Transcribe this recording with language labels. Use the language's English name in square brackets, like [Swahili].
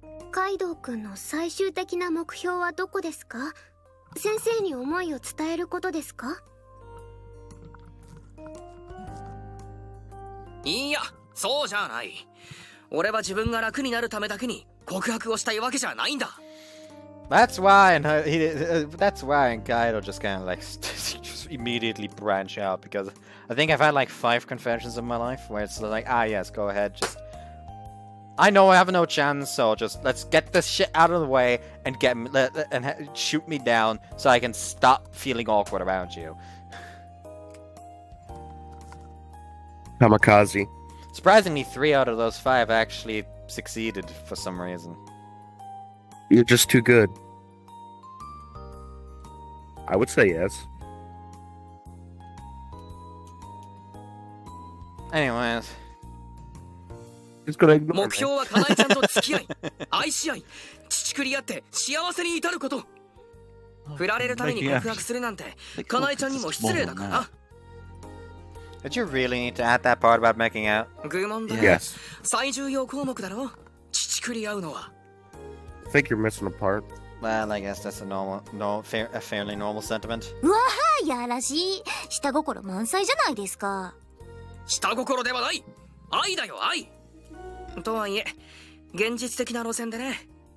[Japanese] カイドウ君の最終的な目標はどこですか？先生に思いを伝えることですか？いや、そうじゃない。俺は自分が楽になるためだけに告白をしたいわけじゃないんだ。 [English] That's why, and that's why Kaido just kind of like just immediately branch out, because I think I've had like 5 confessions in my life where it's like, ah yes, go ahead, just I know I have no chance, so just let's get this shit out of the way and get and shoot me down so I can stop feeling awkward around you. Kamikaze. Surprisingly, 3 out of those 5 actually succeeded for some reason. You're just too good. I would say yes. Anyways. He's gonna ignore me. [Japanese] 目標はカナエちゃんと付き合い、愛し合い、乳繰り合って幸せに至ること。振られるために告白するなんて、カナエちゃんにも失礼だから。 [English] Did you really need to add that part about making out? [Japanese] 愚問だ。 [English] Yes. [Japanese] 最重要項目だろ、乳繰り合うのは。 [English] I think you're missing a part. Well, I guess that's a normal, no, fair, a fairly normal sentiment. [Japanese] Wow, yarashi, 下心満載じゃないですか。下心ではない、愛だよ愛。とはいえ、現実的な路線でね。